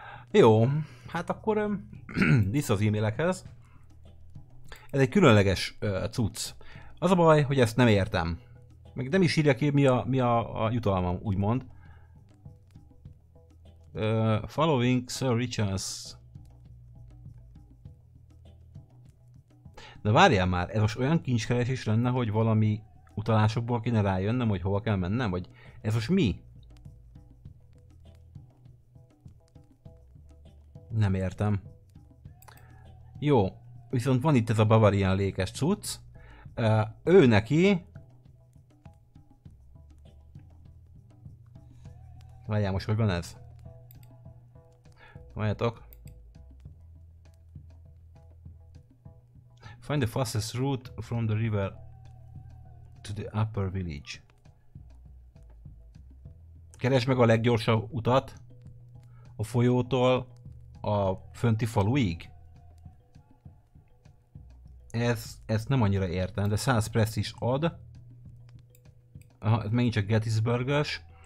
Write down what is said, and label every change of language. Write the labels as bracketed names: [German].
[Hungarian] Jó, hát akkor vissza az e-mailekhez. Ez egy különleges cucc. Az a baj, hogy ezt nem értem. Meg nem is írja ki, mi a jutalmam, úgymond. [English] Following Sir Richard's... [Hungarian] Na várjál már, ez most olyan kincskeresés lenne, hogy valami utalásokból kéne rájönnem, hogy hova kell mennem, vagy ez most mi? Nem értem. Jó, viszont van itt ez a Bavarian lékes cucc. Ő neki... Várjál most, hogy van ez? Várjátok. [English] Find the fastest route from the river to the upper village. [Hungarian] Keresd meg a leggyorsabb utat a folyótól a fönti faluig. Ez nem annyira értem, de 100 press is ad. Aha, ez megint csak Gettysburg-ös.